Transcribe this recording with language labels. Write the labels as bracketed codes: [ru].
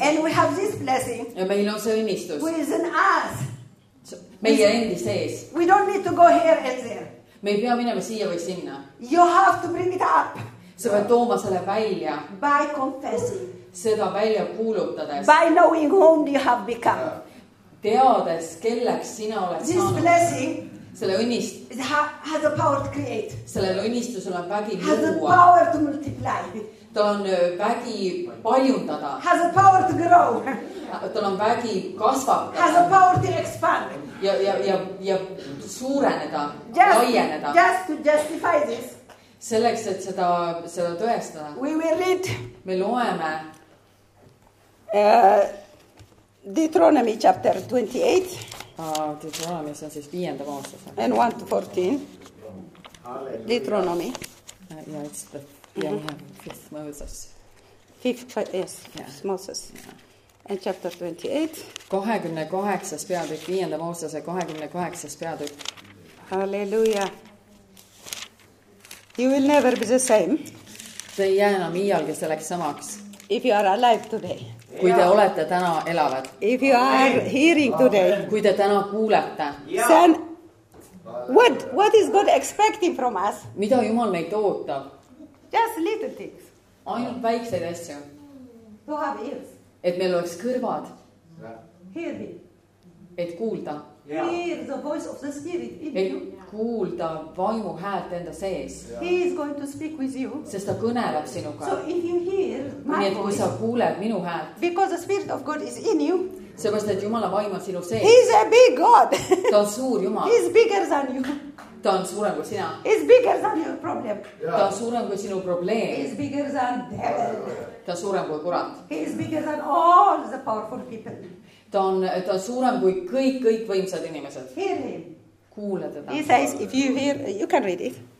[en] And we have this blessing. [et] Ja meil on see õnnistus. [en] Who is in us. [et] Meie endi sees. [en] We don't need to go here and there. [et] Me ei pea minema siia või sinna. [en] You have to bring it up. [et] Sa pead tooma selle välja. [en] By confessing. [et] Seda välja kuulutades. [en] By knowing whom you have become. [et] Teades, kelleks sina oled saanud. [en] This blessing. [et] Selle õnnist. [en] Has the power to create. [et] Sellel õnnistusel on vägi luua. [en] Has the power to multiply. [et] ta on väki paljundada. [en] Has a power to grow. [et] Ta on väki kasvab. [en] Has a power to expand. [et] Ja suureneda, laieneda. [en] Just to justify this. [et] Selleks, et seda tõestada. [en] We will read. [et] Me loeme. [en] Deuteronomy chapter 28. [et] Deuteronomy, see on siis viienda moosese. [en] And 1 to 14. Deuteronomy. Yeah, it's the fifth Moses. Fifth Moses. And chapter [et] 28. 28. Viienda moosese, 28. Peatükk. Hallelujah. [en] You will never be the same. [et] See ei jää enam iialgi selleks samaks. [en] If you are alive today. [et] Kui te olete täna elavad. [en] If you are hearing today. [et] Kui te täna kuulete. [en] Then what is God expecting from us? [et] Mida Jumal meid ootab? [en] Just little things. [et] Ainult väikseid asju. [en] To have ears. [et] Et meil oleks kõrvad. [en] Hear me. [et] Et kuulda. [en] Hear the voice of the Spirit in you. [et] Kuulda vaimu häält enda sees. [en] He is going to speak with you. [et] Sest ta kõneleb sinuga. [en] So if you hear my voice. [et] Nii et kui sa kuuled minu häält. [en] Because the Spirit of God is in you. [et] Sest et Jumala vaimu on sinu sees. [en] He is a big God. [et] Ta on suur Jumal. [en] He is bigger than you. [et] Ta on suurem kui sina. [en] He is bigger than your problem. [et] Ta on suurem kui sinu probleem. [en] He is bigger than devil. [et] Ta on suurem kui kurat. [en] He is bigger than all the powerful people. [et] Ta on suurem kui kõik võimsad inimesed. [en] Hear him. [et] Kuule teda. [en] He says, if you hear, you can read it.